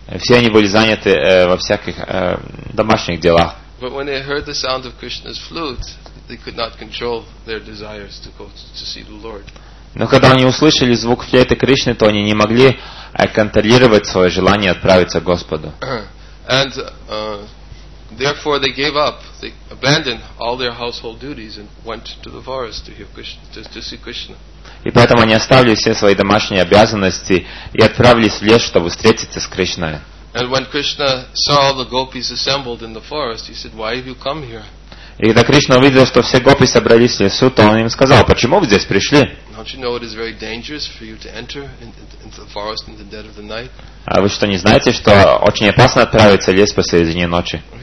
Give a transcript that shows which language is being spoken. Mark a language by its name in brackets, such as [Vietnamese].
[Russian] Все они были заняты во всяких домашних делах. Но когда они услышали звук Кришны, они не могли контролировать свои желания пойти увидеть Господа. Но когда они услышали звук флейты Кришны, то они не могли контролировать свое желание отправиться к Господу. [English] And therefore they gave up, they abandoned all their household duties and went to the forest to hear Krishna, to see Krishna. [Russian] И поэтому они оставили все свои домашние обязанности и отправились в лес, чтобы встретиться с Кришной. [English] And when Krishna saw all the gopis assembled in the forest, he said, "Why have you come here?" [Russian] И когда Кришна увидел, что все гопи собрались в лесу, то он им сказал, почему вы здесь пришли? А вы что, не знаете, что очень опасно отправиться в лес посредине ночи?